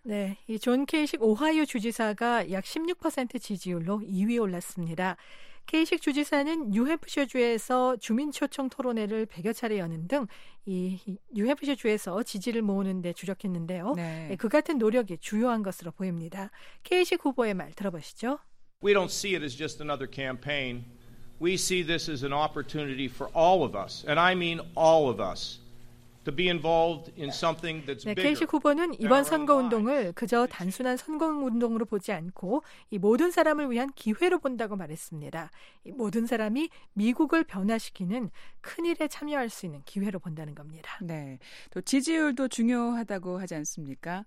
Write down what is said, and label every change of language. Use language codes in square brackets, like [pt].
[ko] 네, 이 존 케이식 오하이오 주지사가 약 16% 지지율로 2위에 올랐습니다. 케이식 주지사는 뉴햄프셔주에서 주민초청 토론회를 100여 차례 여는 등 이 뉴햄프셔주에서 지지를 모으는 데 주력했는데요. 네. 그 같은 노력이 주요한 것으로 보입니다. 케이식 후보의 말 들어보시죠. [en] We don't see it as just another campaign. We see this as an opportunity for all of us, and I mean all of us. To be involved in something that's bigger. [ko] 네, 케이식 후보는 이번 선거 운동을 그저 단순한 선거 운동으로 보지 않고 이 모든 사람을 위한 기회로 본다고 말했습니다. 이 모든 사람이 미국을 변화시키는 큰 일에 참여할 수 있는 기회로 본다는 겁니다. 네, 또 지지율도 중요하다고 하지 않습니까?